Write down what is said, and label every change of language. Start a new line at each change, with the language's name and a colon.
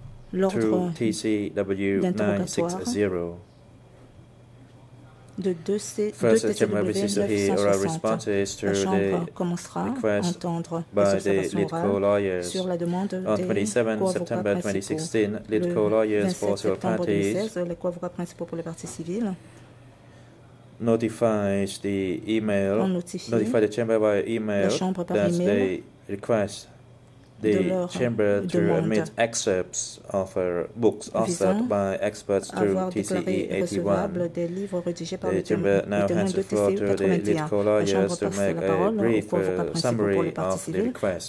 English: through TCW 960.
French: De deux C,
English: first,
French: deux
English: the chamber wishes to hear oral responses to the request by the lead co-lawyers.
French: Sur la demande
English: on 27 September 2016, lead co-lawyers for civil parties,
French: les co-avocats principaux pour les parties civiles,
English: notifies the email, notify the chamber by email that they request the chamber to admit excerpts of her books offered by experts to TCE 81. The chamber now hands the floor to the lead co-lawyers to make a brief summary of the request.